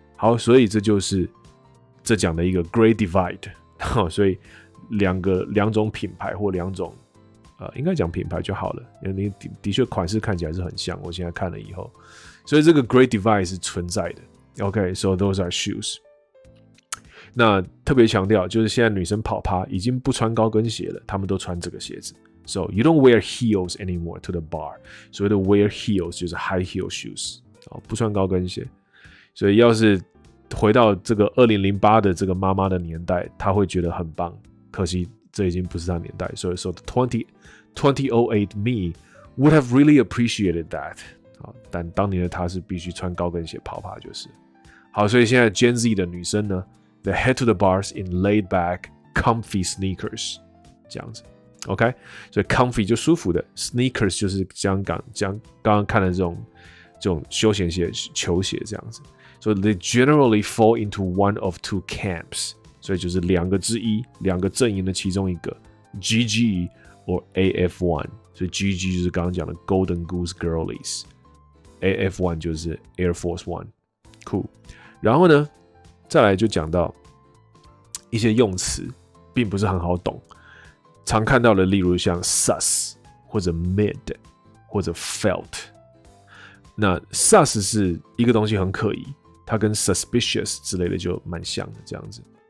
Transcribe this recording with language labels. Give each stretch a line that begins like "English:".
Chinese: 好，所以这就是这讲的一个 Great Divide、哦、所以两种品牌或两种应该讲品牌就好了，因为的确款式看起来是很像，我现在看了以后，所以这个 Great Divide 是存在的。
English: OK, so those are shoes.
Chinese: 那特别强调就是现在女生跑趴已经不穿高跟鞋了，她们都穿这个鞋子。
English: So you don't wear heels anymore to the bar.
Chinese: 所谓的 wear heels 就是 high heel shoes, 不穿高跟鞋。所以要是回到这个2008的这个妈妈的年代，她会觉得很棒。可惜这已经不是她年代。所以说
English: 2008 me would have really appreciated that.
Chinese: 但当年的他是必须穿高跟鞋跑跑，就是好。所以现在 Gen Z 的女生呢 ，
English: they head to the bars in laid back comfy sneakers，
Chinese: 这样子 ，OK。所以 comfy 就舒服的 ，sneakers 就是刚刚看的这种休闲鞋、球鞋这样子。所以
English: they generally fall into one of two camps，
Chinese: 所以就是两个之一，两个阵营的其中一个 ，GG or AF1。所以 GG 就是刚刚讲的 Golden Goose Girlies。 AF1 就是 Air Force One， cool。然后呢再来就讲到一些用词并不是很好懂，常看到的例如像 Sus 或者 Mid 或者 Felt。那 Sus 是一个东西很可疑，它跟 Suspicious 之类的就蛮像的这样子。